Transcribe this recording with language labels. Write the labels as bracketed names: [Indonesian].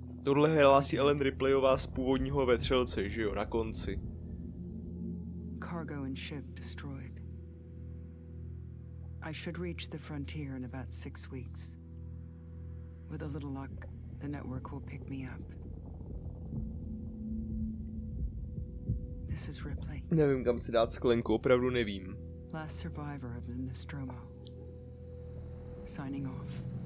[Czech] Tohle hrála si Ellen Ripleyová z původního Vetřelce, že jo, na konci. [English] Cargo and ship destroyed. I should reach the frontier in about 6 weeks. With a little luck, the network will pick me up. This is Ripley. [Czech] Nevím, kam si dát sklenku, opravdu nevím. [English] Last survivor of the Nostromo. Signing off.